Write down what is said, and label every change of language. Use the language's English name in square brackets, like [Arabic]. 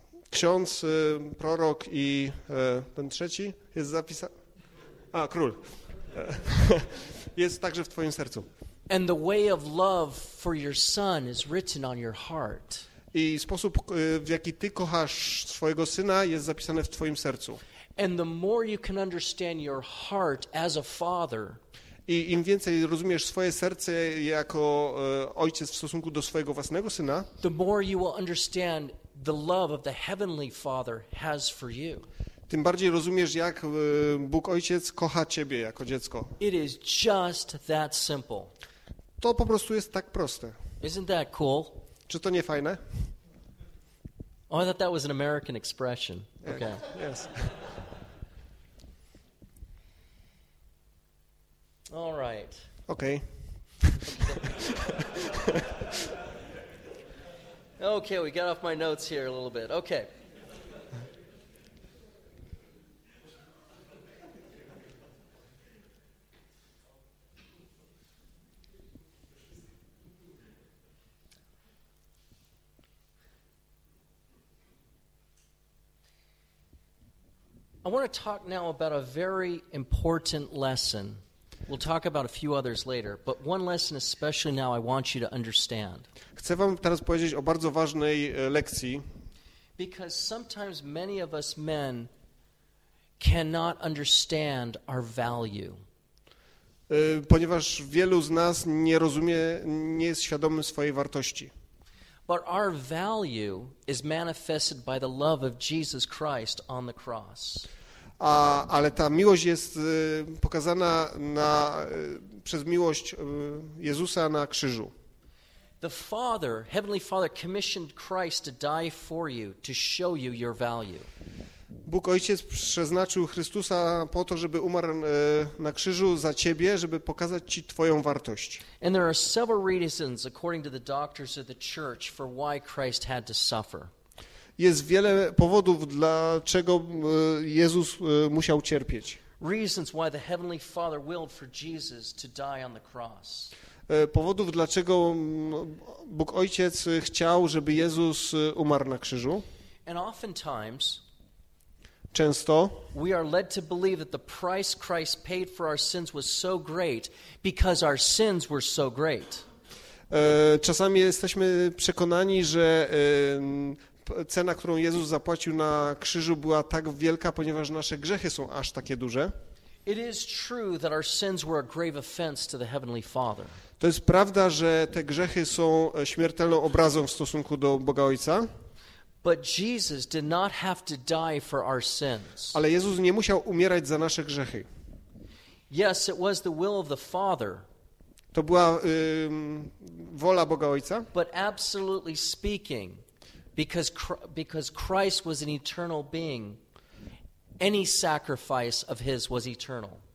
[Polish] Ksiądz, prorok i ten trzeci jest zapisany. A król jest także w twoim sercu. [English] And the way of love for your son is written on your heart. [Polish] I sposób, w jaki ty kochasz swojego syna, jest zapisany w twoim sercu. [English] And the more you can understand your heart as a father. [Polish] I im więcej rozumiesz swoje serce jako ojciec w stosunku do swojego własnego syna, [English] the more you will understand the love of the heavenly father has for you. [Polish] Tym bardziej rozumiesz, jak Bóg Ojciec kocha ciebie jako dziecko. [English] It is just that simple. [Polish] To po prostu jest tak proste. [English] Isn't that cool? [Polish] Czy to nie fajne? [English] Oh, I thought that was an American expression. Okay. Yes. All right. Okay. Okay, we got off my notes here a little bit. Okay. I want to talk now about a very important lesson. We'll talk about a few others later, but one lesson especially now I want you to understand. [Polish] Chcę wam teraz powiedzieć o bardzo ważnej lekcji. [English] Because sometimes many of us men cannot understand our value. [Polish] Ponieważ wielu z nas nie rozumie, nie jest świadomy swojej wartości. [English] But our value is manifested by the love of Jesus Christ on the cross. [Polish] Ale ta miłość jest pokazana przez miłość Jezusa na krzyżu. [English] The Father, Heavenly Father, commissioned Christ to die for you, to show you your value. [Polish] Bóg Ojciec przeznaczył Chrystusa po to, żeby umarł na krzyżu za ciebie, żeby pokazać ci twoją wartość. [English] And there are several reasons, according to the doctors of the church, for why Christ had to suffer. [Polish] Jest wiele powodów, dlaczego Jezus musiał cierpieć. [English] Reasons why the Heavenly Father willed for Jesus to die on the cross. [Polish] Powodów, dlaczego Bóg Ojciec chciał, żeby Jezus umarł na krzyżu. [English] And oftentimes, [Polish] często [English] we are led to believe that the price Christ paid for our sins was so great because our sins were so great. [Polish] Czasami jesteśmy przekonani, że cena, którą Jezus zapłacił na krzyżu, była tak wielka, ponieważ nasze grzechy są aż takie duże. [English] It is true that our sins were a grave offense to the Heavenly Father. [Polish] To jest prawda, że te grzechy są śmiertelną obrazą w stosunku do Boga Ojca. [English] But Jesus did not have to die for our sins. [Polish] Ale Jezus nie musiał umierać za nasze grzechy. [English] Yes, it was the will of the Father. [Polish] To była wola Boga Ojca. [English] But absolutely speaking, because Christ was an eternal being, any sacrifice of his was eternal.